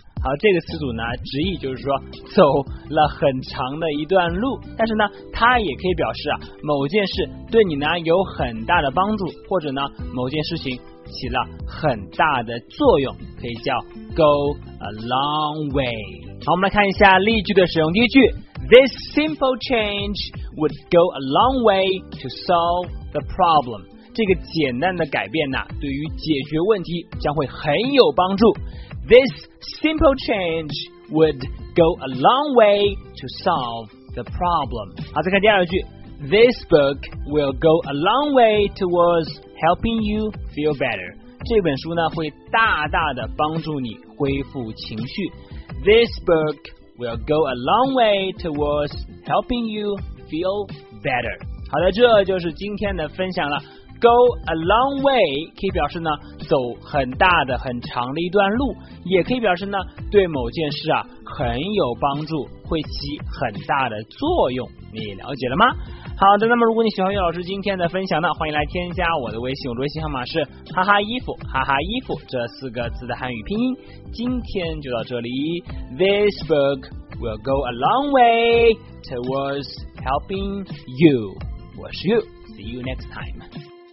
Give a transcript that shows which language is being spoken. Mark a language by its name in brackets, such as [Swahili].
[Chinese] 好，这个词组呢直译就是说走了很长的一段路，但是呢它也可以表示啊某件事对你呢有很大的帮助，或者呢某件事情起了很大的作用，可以叫 Go a long way。好，我们来看一下例句的使用。第一句， [English] This simple change would go a long way to solve the problem. [Chinese] 这个简单的改变呢，对于解决问题将会很有帮助。 [English] This simple change would go a long way to solve the problem. [Chinese] 好，再看第二句。 [English] This book will go a long way towards helping you feel better. [Chinese] 这本书呢，会大大的帮助你恢复情绪。 [English] This book... will go a long way towards helping you feel better. [Chinese] 好的，这就是今天的分享了。Go a long way 可以表示呢走很大的很长的一段路，也可以表示呢对某件事啊很有帮助，会起很大的作用，你了解了吗？好的，那么如果你喜欢岳老师今天的分享呢，欢迎来添加我的微信，我的微信号码是哈哈衣服，哈哈衣服这四个字的汉语拼音。今天就到这里， [English] This book will go a long way towards helping you. [Chinese] 我是 [English] You, see you next time.